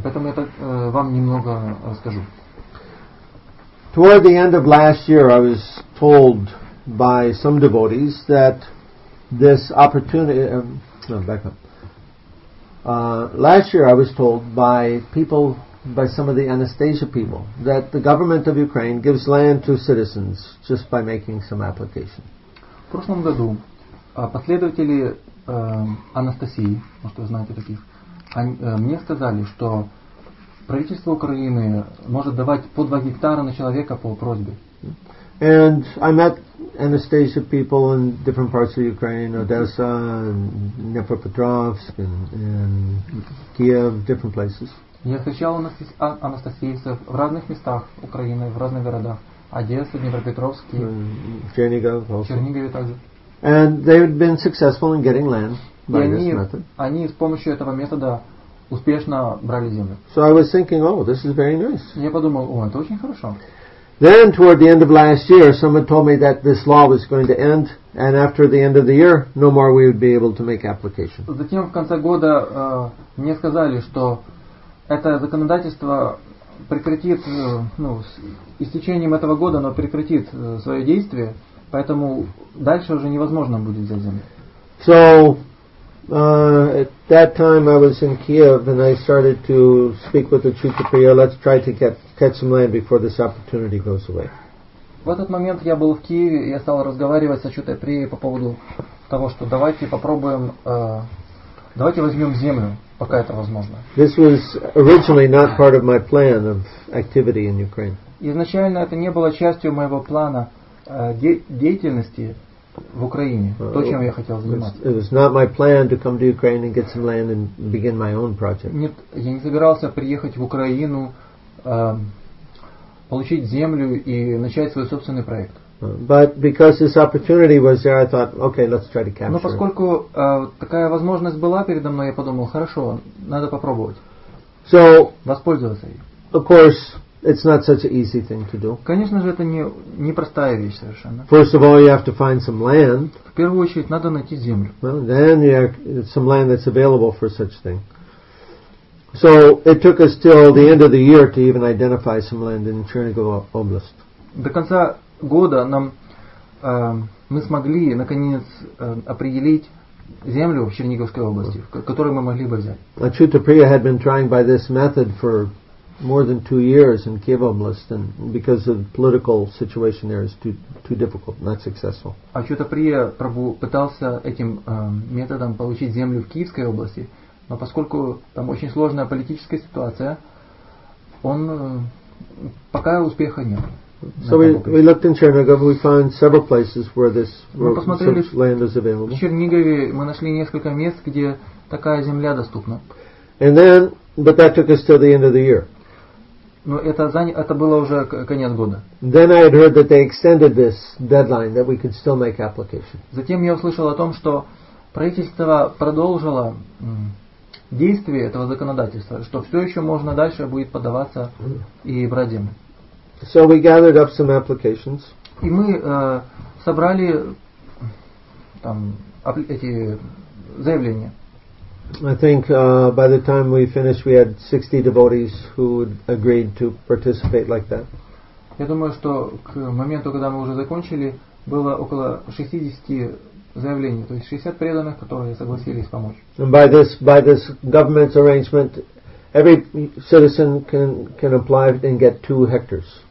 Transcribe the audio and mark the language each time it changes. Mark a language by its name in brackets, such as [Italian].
[Russian] Поэтому я так вам немного расскажу. [English] Toward the end of last year, I was told by some devotees that this opportunity. No, back up. Last year, I was told by people. By some of the Anastasia people, that the government of Ukraine gives land to citizens just by making some application. [Russian] В прошлом году последователи Анастасии, может вы знаете таких, мне сказали, что правительство Украины может давать по 2 гектара на человека по просьбе. [English] And I met Anastasia people in different parts of Ukraine, Odessa, and Dnipropetrovsk, and Kiev, different places. [Russian] Я встречал анастасийцев в разных местах Украины, в разных городах. Одесса, Днепропетровск, Чернигов также. [English] And they had been successful in getting land by this method. [Russian] Они с помощью этого метода успешно брали землю. [English] So I was thinking, oh, this is very nice. [Russian] Я подумал, о, это очень хорошо. [English] Then toward the end of last year, someone told me that this law was going to end, and after the end of the year, no more we would be able to make application. [Russian] Затем в конце года мне сказали, что это законодательство прекратит, ну, с истечением этого года, но прекратит свое действие, поэтому дальше уже невозможно будет взять землю. [English] So, at that time I was in Kiev and I started to speak with the Chutapriya, let's try to catch some land before this opportunity goes away. [Russian] В этот момент я был в Киеве, и я стал разговаривать с Чутаприей по поводу того, что давайте попробуем, давайте возьмем землю. Пока это возможно. [English] This was originally not part of my plan of activity in Ukraine. [Russian] Изначально это не было частью моего плана деятельности в Украине, то, чем я хотел заниматься. [English] It was not my plan to come to Ukraine and get some land and begin my own project. [Russian] Нет, я не собирался приехать в Украину, получить землю и начать свой собственный проект. [English] But because this opportunity was there, I thought, okay, let's try to capture. [Russian] Но поскольку такая возможность была передо мной, я подумал, хорошо, надо попробовать. [English] So, [Russian] воспользоваться ей. [English] Of course, it's not such an easy thing to do. [Russian] Конечно же, это не простая вещь совершенно. [English] First of all, you have to find some land. [Russian] В первую очередь, надо найти землю. [English] Well, then you have some land that's available for such thing. So, it took us till the end of the year to even identify some land in Chernigov Oblast. [Russian] До конца года нам мы смогли наконец определить землю в Черниговской области, которую мы могли бы взять. [English] Achyutapriya had been trying by this method for more than 2 years in Kiev Oblast, and because of the political situation there is too difficult, not successful. [Russian] Achyutapriya Prabhu пытался этим методом получить землю в Киевской области, но поскольку там очень сложная политическая ситуация, он пока успеха нет. [English] So we looked in Chernigov, we found several places where this land is available. [Russian] В Чернигове мы нашли несколько мест, где такая земля доступна. [English] And then, but that took us to the end of the year. [Russian] Но это было уже конец года. [English] Then I had heard that they extended this deadline, that we could still make application. [Russian] Затем я услышал о том, что правительство продолжило действие этого законодательства, что все еще можно дальше будет подаваться и брать землю. [English] So we gathered up some applications. [Russian] И мы собрали там эти заявления. [English] I think by the time we finished, we had 60 devotees who agreed to participate like that. [Russian] Я думаю, что к моменту, когда мы уже закончили, было около 60 заявлений, то есть 60 преданных, которые согласились помочь. [English] And by this government's arrangement, every citizen can apply and get 2 hectares.